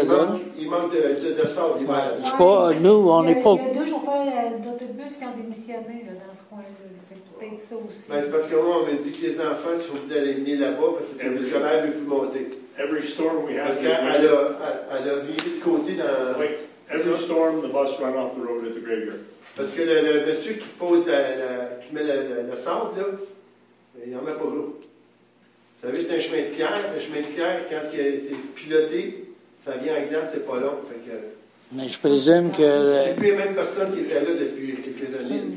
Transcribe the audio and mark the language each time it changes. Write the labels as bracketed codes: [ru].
[fr] Il manque deux chauffeurs d'autobus qui ont démissionné là, dans ce coin-là. Ben, c'est parce que moi, on m'a dit que les enfants sont venus d'aller mener là-bas parce que le bus scolaire ne veut plus monter. [en] Every storm we have [fr] parce qu'elle a viré de côté dans. [en] Oui, every storm, the bus ran off the road at the graveyard. [fr] Parce que le monsieur qui pose qui met le sable, là, il n'en met pas gros. Vous savez, c'est un chemin de pierre. Le chemin de pierre, quand c'est piloté, ça vient en glace, c'est pas long. Fait que. Mais je présume que. C'est plus les mêmes personnes qui étaient là depuis quelques années.